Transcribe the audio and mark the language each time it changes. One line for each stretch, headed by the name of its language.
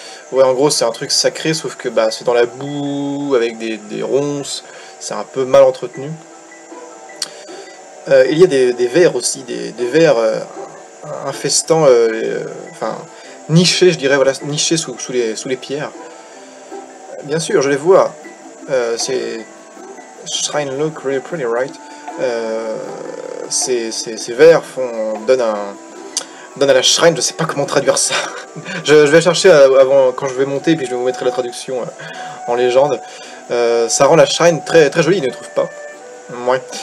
French: Ouais, en gros, c'est un truc sacré, sauf que bah, c'est dans la boue, avec des ronces, c'est un peu mal entretenu. Il y a des vers aussi, des vers infestants, enfin, nichés, je dirais, voilà, nichés sous les pierres. Bien sûr, je les vois. C'est...
English: Shrine look really pretty, right?
French: Ces vers donnent à la shrine, je sais pas comment traduire ça. Je vais chercher avant, quand je vais monter, puis je vous mettrai la traduction en légende. Ça rend la shrine très, très jolie, il ne trouve pas. Mouais.